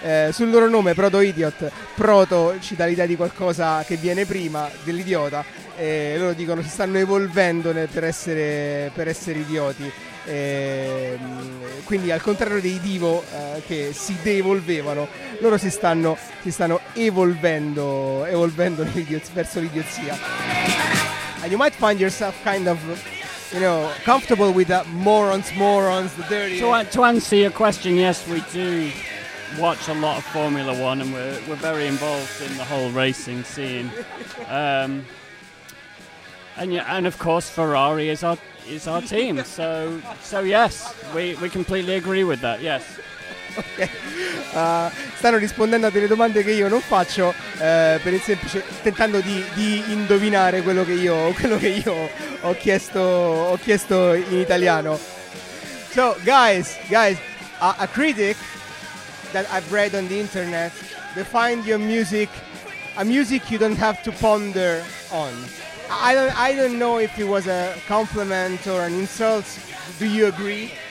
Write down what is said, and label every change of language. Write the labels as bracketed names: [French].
[Italian] Sul loro nome, Proto Idiot, Proto ci dà l'idea di qualcosa che viene prima, dell'idiota, e loro dicono si stanno evolvendo per essere idioti, e quindi al contrario dei Divo che si devolvevano, loro si stanno evolvendo verso l'idiozia. [English] And you might find yourself kind of, you know, comfortable with that morons, the dirty. To answer your question, yes, we do watch a lot of Formula One, and we're very involved in the whole racing scene. And of course Ferrari is our team. So yes, we completely agree with that. Yes. Okay. [Italian] Stanno rispondendo a delle domande che io non faccio, per il semplice tentando di indovinare quello che io ho chiesto in italiano. [English] So guys, a critic that I've read on the internet, they find your music a music you don't have to ponder on. I don't know if it was a compliment or an insult. Do you agree?